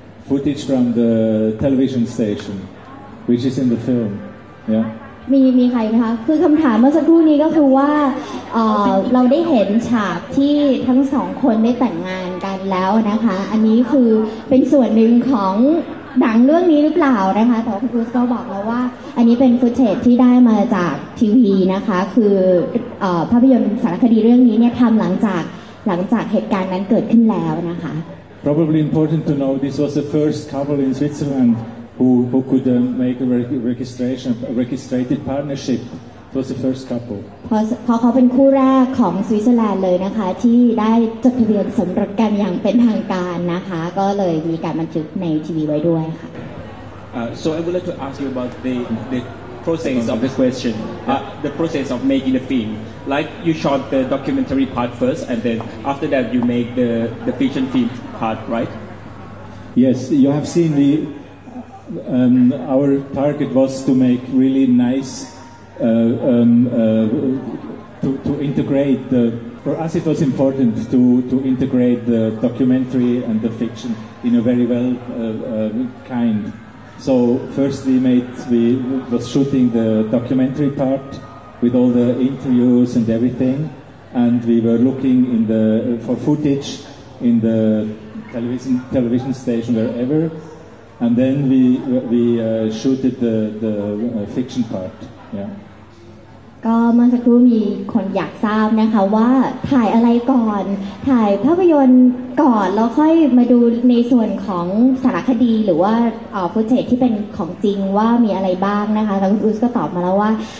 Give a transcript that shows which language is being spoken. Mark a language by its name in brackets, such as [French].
[English] footage from the television station which is in the film yeah [Thai] มีใครนะคะคือคำถามเมื่อสักครู่นี้ก็คือว่าเราได้เห็นฉากที่ทั้งสองคนได้แต่งงานกันแล้วนะคะอันนี้คือเป็นส่วนหนึ่งของหนังเรื่องนี้หรือเปล่านะคะแต่คุณครูก็บอกแล้วว่าอันนี้เป็นฟุตเทจที่ได้มาจากทีวีนะคะคือภาพยนตร์สารคดีเรื่องนี้เนี่ยทำหลังจากเหตุการณ์นั้นเกิดขึ้นแล้วนะคะ [English] Probably important to know this was the first couple in Switzerland who could make a registration, a registered partnership. It was the first couple. [Thai] เพราะเขาเป็นคู่แรกของสวิตเซอร์แลนด์เลยนะคะที่ได้จดทะเบียนสมรสกันอย่างเป็นทางการนะคะก็เลยมีการบันทึกในทีวีไว้ด้วยค่ะ [English] So I would like to ask you about the process of the question, the process of making the film. Like you shot the documentary part first, and then after that you make the fiction film part, right? Yes, you have seen the. Our target was to make really nice, to integrate the. For us, it was important to integrate the documentary and the fiction in a very well kind. So first we was shooting the documentary part. With all the interviews and everything, and we were looking in the for footage in the television station wherever, and then we shooted the fiction part. Yeah. [Thai] ก็เมื่อสักครู่มีคนอยากทราบนะคะว่าถ่ายอะไรก่อนถ่ายภาพยนตร์ก่อนแล้วค่อยมาดูในส่วนของสารคดีหรือว่าฟุตเทจที่เป็นของจริงว่ามีอะไรบ้างนะคะแล้วคุณอุสก็ตอบมาแล้วว่า